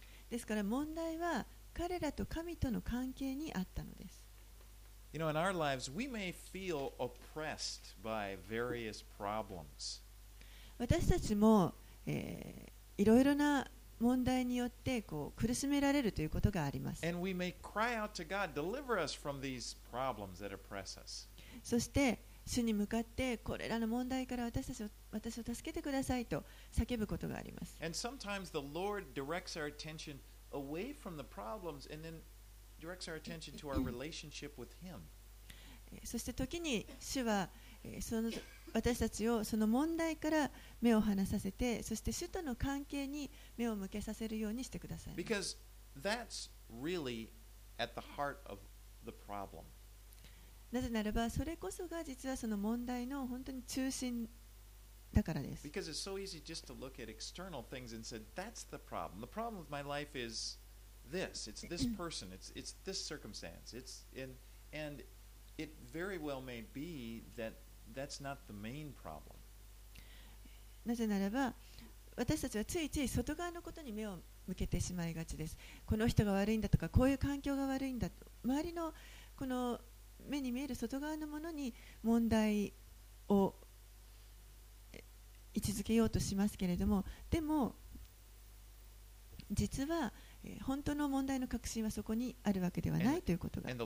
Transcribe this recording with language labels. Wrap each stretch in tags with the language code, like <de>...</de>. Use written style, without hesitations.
<ja>ですから問題は彼らと神との関係にあったのです。</ja> <en>You know, in our lives, we may feel oppressed by various problems.</en> <ja>私たちも、いろいろな問題によってこう苦しめられるということがあります。</ja> <en>And we may cry out to God, deliver us from these problems that oppress us.</en> <ja>そして主に向かってこれらの問題から私を助けてくださいと叫ぶことがあります。</ja> <en>And sometimes the Lord directs our attention away from the problems and then directs our attention to our relationship with Him.</en> <ja>そして時に主はその私たちをその問題から目を離させて、そして主との関係に目を向けさせるようにしてください。</ja> <en>Because that's really at the heart of the problem.</en> <ja>なぜならば、それこそが実はその問題の本当に中心だからです。</ja> <en>Because it's so easy just to look at external things and say, that's the problem. The problem with my life is this. It's this person. It's this circumstance. It's in, and it very well may be thatThat's not the main problem.</en> <ja>なぜならば私たちはついつい外側のことに目を向けてしまいがちです。この人が悪いんだとか、こういう環境が悪いんだと、周りのこの目に見える外側のものに問題を位置づけようとしますけれども、でも実は本当の問題の核心はそこにあるわけではないということが</ja>